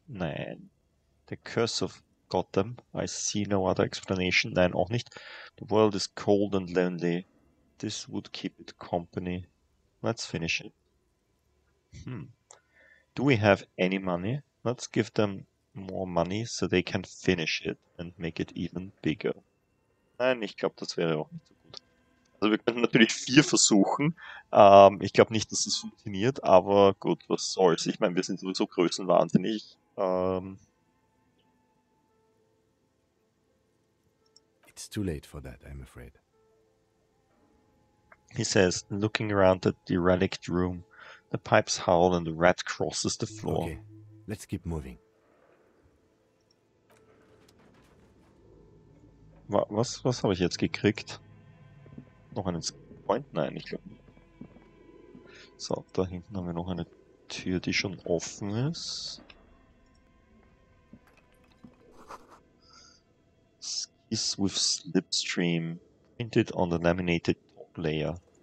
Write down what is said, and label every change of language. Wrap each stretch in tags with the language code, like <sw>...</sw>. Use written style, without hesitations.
<en>Nein, the curse of Gotham. I see no other explanation.</en> <de>Nein, auch nicht.</de> <en>The world is cold and lonely. This would keep it company. Let's finish it. Do we have any money? Let's give them more money, so they can finish it and make it even bigger.</en> <de>Nein, ich glaube, das wäre auch nicht so gut. Also wir könnten natürlich 4 versuchen. Ich glaube nicht, dass es funktioniert, aber gut, was soll's. Ich meine, wir sind sowieso größenwahnsinnig.</de> <en>It's too late for that, I'm afraid. He says, looking around at the derelict room, the pipes howl and the rat crosses the floor. Okay, let's keep moving.</en> <de>Was habe ich jetzt gekriegt? Noch einen Point? Nein, ich glaube nicht. So, da hinten haben wir noch eine Tür, die schon offen ist.</de> <en>Skis with slipstream printed on the laminated top layer.</en>